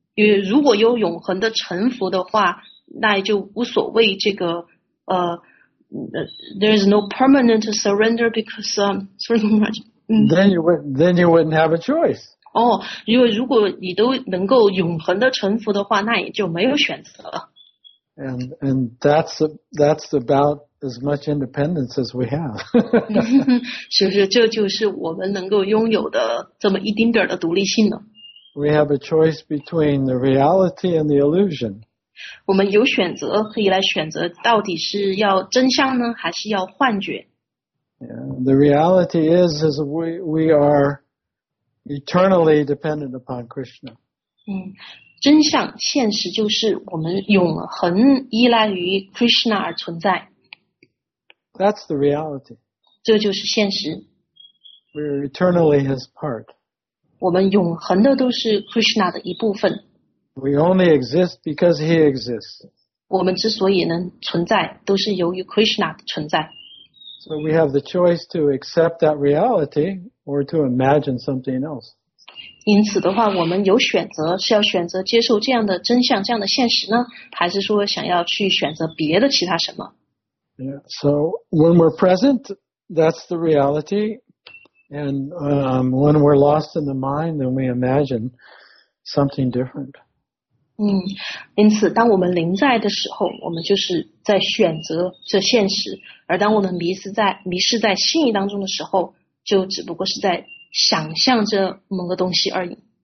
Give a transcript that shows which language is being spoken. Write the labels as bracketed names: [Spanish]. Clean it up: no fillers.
[Chinese] 因为如果有永恒的臣服的话，那也就无所谓这个 [English] there is no permanent surrender because then you wouldn't have a choice. [Chinese] 因为如果你都能够永恒的臣服的话，那也就没有选择了。 [English] And that's about as much independence as we have. [Chinese] 是不是这就是我们能够拥有的这么一丁点的独立性呢 [English] We have a choice between the reality and the illusion. [Chinese] 我们有选择可以来选择到底是要真相呢还是要幻觉 [English] The reality is we are eternally dependent upon Krishna. [Chinese] 真相现实就是我们永恒依赖于 Krishna 而存在。 [English] That's the reality. [Chinese] 这就是现实。 [English] We're eternally his part. [Chinese] 我们永恒的都是 Krishna 的一部分。 [English] We only exist because he exists. [Chinese] 我们之所以能存在都是由于 Krishna 的存在。 [English] So we have the choice to accept that reality or to imagine something else. [Chinese] 因此的话我们有选择是要选择接受这样的真相这样的现实呢还是说想要去选择别的其他什么 [English] Yeah, so when we're present, that's the reality. And when we're lost in the mind, then we imagine something different. [Chinese] 因此当我们临在的时候我们就是在选择这现实而当我们迷失在心意当中的时候就只不过是在想象着某个东西而已。